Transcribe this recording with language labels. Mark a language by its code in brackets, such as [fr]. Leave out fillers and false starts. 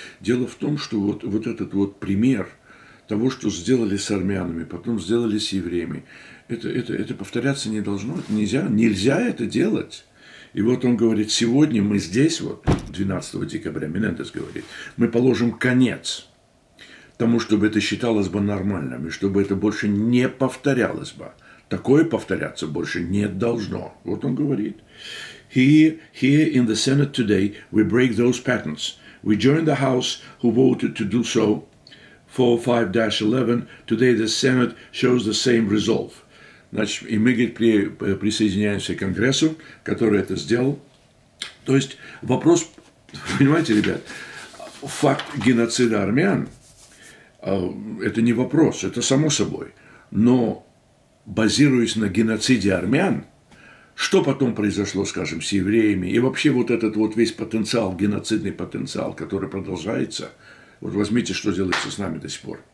[ru] Дело в том, что вот, вот этот вот пример того, что сделали с армянами, потом сделали с евреями, это повторяться не должно, это нельзя, нельзя это делать. И вот он говорит, сегодня мы здесь, вот 12 декабря, Менендес говорит, мы положим конец тому, чтобы это считалось бы нормальным, и чтобы это больше не повторялось бы. Такое повторяться больше не должно. Вот он говорит. [en] Here in the Senate today, we break those patterns. We join the House who voted to do so, 4-5-11. Today the Senate shows the same resolve. [ru] Значит, и мы, говорит, присоединяемся к Конгрессу, который это сделал. То есть вопрос, понимаете, ребят, факт геноцида армян, это не вопрос, это само собой. Но, базируясь на геноциде армян, что потом произошло, скажем, с евреями, и вообще вот этот вот весь потенциал, геноцидный потенциал, который продолжается, вот возьмите, что делается с нами до сих пор.